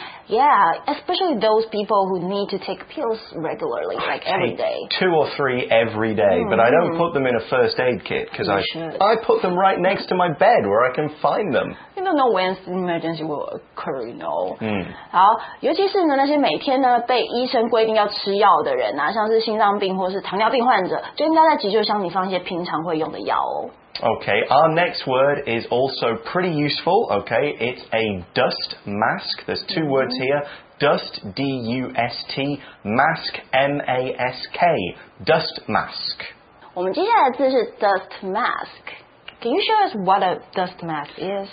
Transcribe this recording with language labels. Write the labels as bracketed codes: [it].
[en] Yeah, especially those people who need to take pills regularly, like every day. Two or three every day, but I don't put them in a first aid kit because I put them right next to my bed where I can find them. You don't know when the emergency will occur, you know. [zh] 好，尤其是呢那些每天呢被医生规定要吃药的人啊，像是心脏病或是糖尿病患者，就应该在急救箱里放一些平常会用的药哦。 [en] Okay, our next word is also pretty useful, okay? It's a dust mask. There's two words here. Dust, D-U-S-T, mask, M-A-S-K, dust mask. [zh] 我们接下来的字是 dust mask. [en] Can you show us what a dust mask is?